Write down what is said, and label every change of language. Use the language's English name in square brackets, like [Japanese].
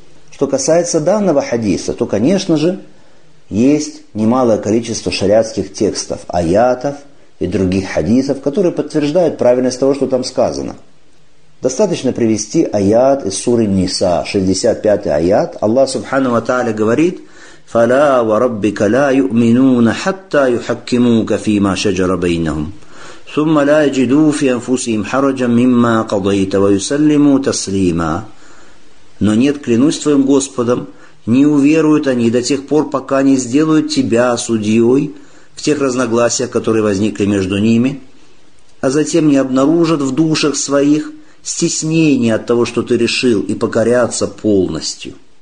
[Russian] Что касается данного хадиса, то, конечно же, есть немалое количество шариатских текстов, аятов и других хадисов, которые подтверждают правильность того, что там сказано. Достаточно привести аят из суры Ниса, 65-й аят. Аллах Субхану ва Тааля говорит: [Arabic] «Фала ва раббика ла юминуна хатта юхаккимука фима шаджара байнахум». ثم لا يجدوا في أنفسهم حرجا مما قضيت ويسلموا تسليما. [Russian] Но нет, клянусь твоим Господом, не уверуют они до тех пор, пока не сделают тебя судьей в тех разногласиях, которые возникли между ними, а затем не обнаружат в душах своих стеснения от того, что ты решил, и покорятся полностью.